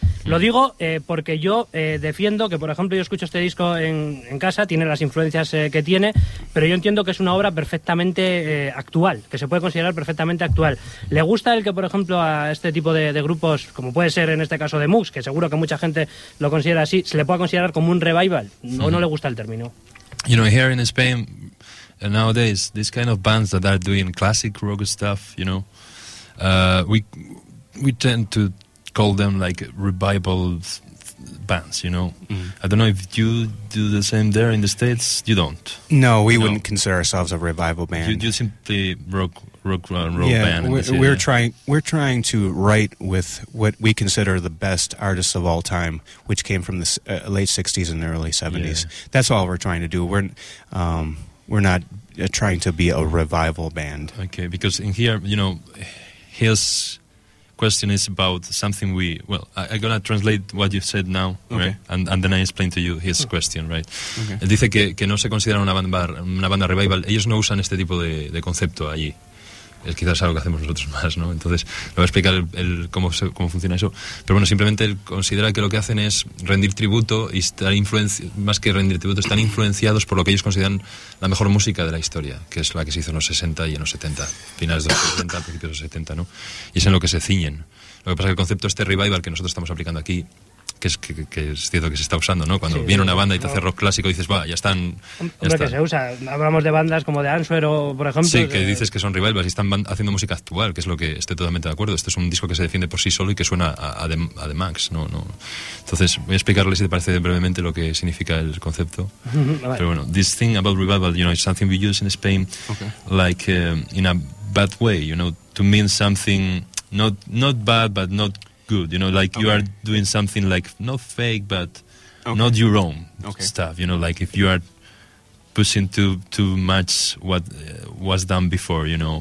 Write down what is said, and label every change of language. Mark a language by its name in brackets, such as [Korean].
[Spanish] Lo digo porque yo defiendo que, por ejemplo, yo escucho este disco en casa, tiene las influencias que tiene, pero yo entiendo que es una obra perfectamente actual, que se puede considerar perfectamente actual. ¿Le gusta el que, por ejemplo, a este tipo de grupos, como puede ser en este caso de Mux, que seguro que mucha gente lo considera así, se le pueda considerar como un revival? ¿O no le gusta el término? [English] You know, here in Spain, nowadays, this kind of bands that are doing classic rock stuff, you know, we tend to call them like revival bands, you know. Mm. I don't know if you do the same there in the States. You don't. No, we no. Wouldn't consider ourselves a revival band. You simply rock yeah, band. We're trying to write with what we consider the best artists of all time, which came from the late 60s and early 70s. Yeah. That's all we're trying to do. We're not trying to be a revival band. Okay, because in here, you know, here's... question is about something we... Well, I'm going to translate what you said now, okay. Right? And then I explain to you his question, right? [Spanish] Okay. Dice que no se considera una banda revival. Ellos no usan este tipo de concepto allí. Es quizás algo que hacemos nosotros más, ¿no? Entonces, le voy a explicar cómo funciona eso. Pero bueno, simplemente él considera que lo que hacen es rendir tributo y estar más que rendir tributo, están influenciados por lo que ellos consideran la mejor música de la historia, que es la que se hizo en los 60 y en los 70, finales de los 70, principios de los 70, ¿no? Y es en lo que se ciñen. Lo que pasa es que el concepto este revival que nosotros estamos aplicando aquí, que es cierto que se está usando, ¿no? Cuando sí, viene una banda y te hace rock clásico, dices, va, ya están... Hombre, que se usa. Hablamos de bandas como The Answer o, por ejemplo... Sí, que dices que son revivals y están haciendo música actual, que es lo que estoy totalmente de acuerdo. Este es un disco que se defiende por sí solo y que suena a The Max, ¿no? ¿No? Entonces, voy a explicarles, si te parece, brevemente lo que significa el concepto. Vale. Pero bueno, [English] this thing about revival, you know, it's something we use in Spain, okay. Like in a bad way, you know, to mean something not bad, but not... good, you know, like okay. You are doing something like not fake but okay. Not your own okay. Stuff, you know, like if you are pushing too much what was done before, you know,